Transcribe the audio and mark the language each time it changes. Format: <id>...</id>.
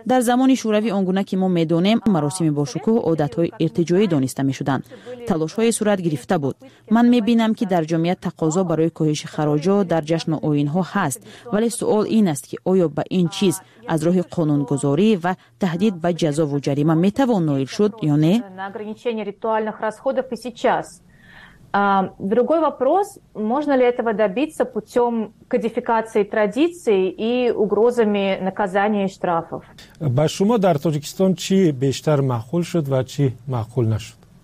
<fa>در زمان شوروی آنگونه که ما میدونیم، مراسم باشکوه عادت های ارتجاعی دانسته میشدند. تلاش های صورت گرفته بود. من میبینم که در جامعه تقاضا برای کاهش خراج ها در جشن و آیین ها هست، ولی سوال این است که آیا به این چیز از راه قانون گذاری و تهدید به جزا و جریمه میتوان نایل شد یا نه؟</fa> <ru>актуальных расходов и сейчас. Другой вопрос, можно ли этого добиться путем кодификации традиций и угрозами наказания и штрафов?</ru> <tg>Башумо дар Тоҷикистон чи бештар маъқул шуд ва чи маъқул нашуд?</tg>